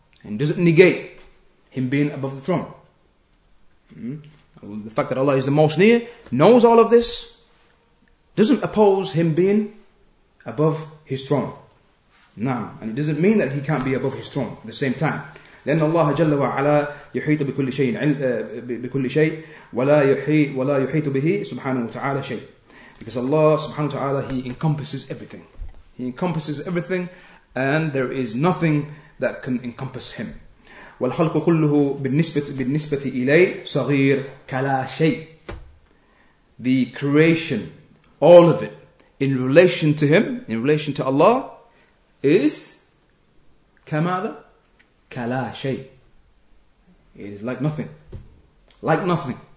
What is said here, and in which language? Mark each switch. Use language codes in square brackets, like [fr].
[en] And doesn't negate him being above the throne. The fact that Allah is the most near, knows all of this, doesn't oppose him being above his throne. Naam. And it doesn't mean that he can't be above his throne at the same time. [ar] لأن الله جل وعلا يحيط بكل شيء بكل شيء ولا يحيط به سبحانه وتعالى شيء. [en] Because Allah subhanahu wa ta'ala, He encompasses everything. He encompasses everything, and there is nothing that can encompass Him. [ar] وَالْخَلْقُ كُلُّهُ بِالنِّسْبَةِ إِلَيْهِ صَغِيرٌ كَلَا شَيْءٍ. [en] The creation, all of it, in relation to Him, in relation to Allah, is [ar] كَمَاذَا كَلَا شَيْءٍ. [en] It is like nothing. Like nothing.